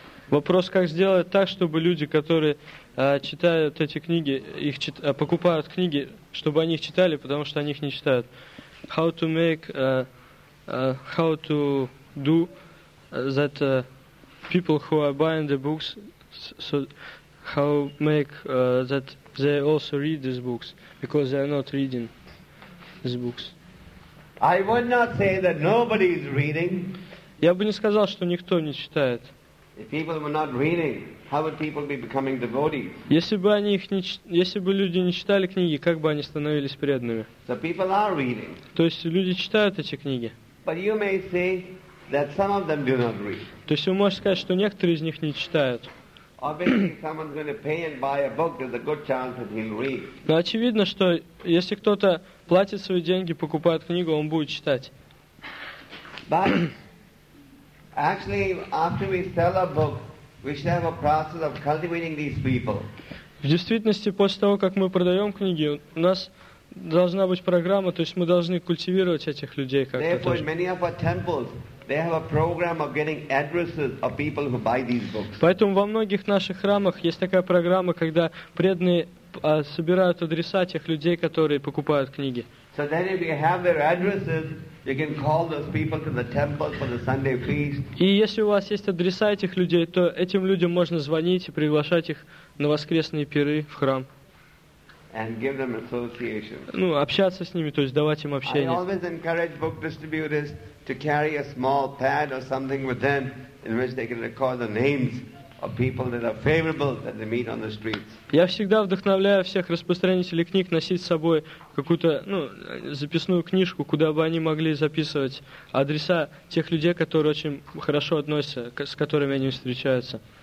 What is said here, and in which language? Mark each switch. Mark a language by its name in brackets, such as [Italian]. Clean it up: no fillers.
[Russian] Вопрос, как сделать так, чтобы люди, которые читают эти книги, их покупают книги, чтобы они их читали, потому что они их не читают. [English] How to make, how to do that people who are buying the books, so how make that they also read these books, because they are not reading these books. I would not say that nobody is reading. [Russian] Я бы не сказал, что никто не читает. [English] If people were not reading, how would people be becoming devotees? [Russian] Если бы люди не читали книги, как бы они становились преданными? [English] So people are reading. [Russian] То есть люди читают эти книги. [English] But you may say that some of them do not read. [Russian] То есть вы можете сказать, что некоторые из них не читают. [English] Obviously, if someone's going to pay and buy a book, there's a good chance that he'll read. [Russian] Но очевидно, что если кто-то платит свои деньги, покупает книгу, он будет читать. [English] But actually, after we sell a book, we should have a process of cultivating these people. [Russian] В действительности, после того, как мы продаем книги, у нас должна быть программа, то есть мы должны культивировать этих людей как-то. [English] Therefore, in many of our temples, they have a program of getting addresses of people who buy these books. [Russian] Поэтому во многих наших храмах есть такая программа, когда преданные собирают адреса тех людей, которые покупают книги. [English] So then, if you have their addresses, you can call those people to the temple for the Sunday feast. [Russian] И если у вас есть адреса этих людей, то этим людям можно звонить и приглашать их на воскресные пиры в храм. [English] And give them association. [Russian] Ну, общаться с ними, то есть давать им общение. [English] I always encourage book distributors to carry a small pad or something with them in which they can record the names of people that are favorable that they meet on the streets. [Russian] Я всегда вдохновляю всех распространителей книг носить с собой какую-то, ну, записную книжку, куда бы они могли записывать адреса тех людей, которые очень хорошо относятся, с которыми они встречаются.